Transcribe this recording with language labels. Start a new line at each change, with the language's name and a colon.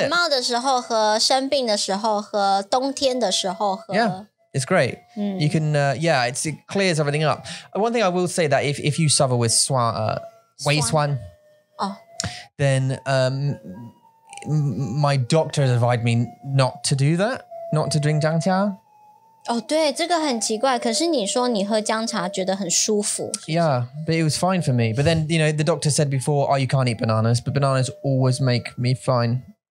Chinese: 感冒的时候喝，生病的时候喝，冬天的时候喝。
English: Yeah. It's great. You can, it clears everything up. One thing I will say that if you suffer with wei suan, then my doctor has advised me not to do that, not to drink 姜茶.
Chinese: Oh, 对，这个很奇怪。可是你说你喝姜茶觉得很舒服。
English: Yeah, but it was fine for me. But then, you know, the doctor said before, oh, you can't eat bananas, but bananas always make me fine.